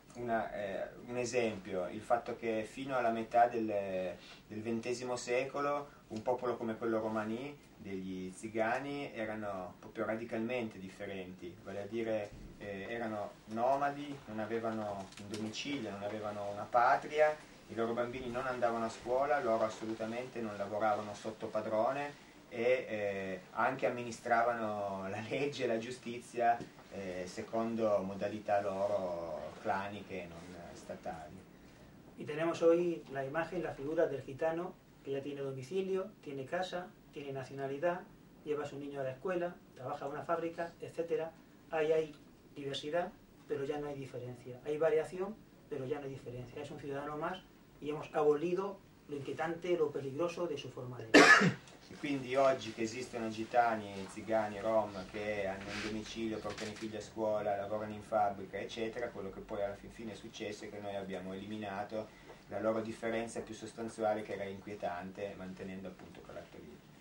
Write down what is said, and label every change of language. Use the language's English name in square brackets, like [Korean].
[Italian] Un esempio, il fatto che fino alla metà del XX secolo un popolo come quello romani, degli zigani, erano proprio radicalmente differenti, vale a dire erano nomadi, non avevano un domicilio, non avevano una patria, i loro bambini non andavano a scuola, loro assolutamente non lavoravano sotto padrone, e anche amministravano la legge e la giustizia secondo modalità loro claniche e non statali. [Spanish] Y tenemos hoy la imagen, la figura del gitano que ya tiene domicilio, tiene casa, tiene nacionalidad, lleva a su niño a la escuela, trabaja en una fábrica, etcétera. Ahí hay diversidad, pero ya no hay diferencia. Hay variación, pero ya no hay diferencia. Es un ciudadano más y hemos abolido lo inquietante, lo peligroso de su forma de vida. [Italian] E quindi oggi che esistono gitani, zigani, rom che hanno un domicilio, portano i figli a scuola, lavorano in fabbrica, eccetera, quello che poi alla fine è successo è che noi abbiamo eliminato la loro differenza più sostanziale, che era inquietante, mantenendo appunto caratteristiche.